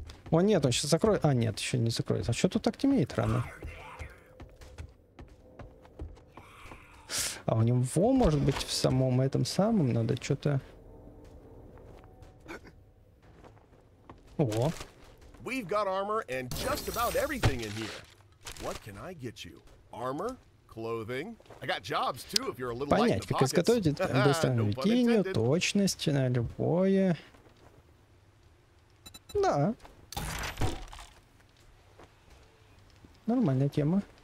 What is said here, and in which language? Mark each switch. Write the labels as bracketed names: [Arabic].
[Russian] О, нет, он сейчас закроет. А, нет, еще не закроет. А что тут так темнеет рано? А у него, может быть, в самом этом самом надо что-то... О! [English] We've got armor and just about everything in here. What can I get you? Armor? Clothing. I got jobs too, if you're a little light in the pockets. [Russian] Понять, как изготовить быстро наведение, точность, на любое... Да. Нормальная тема.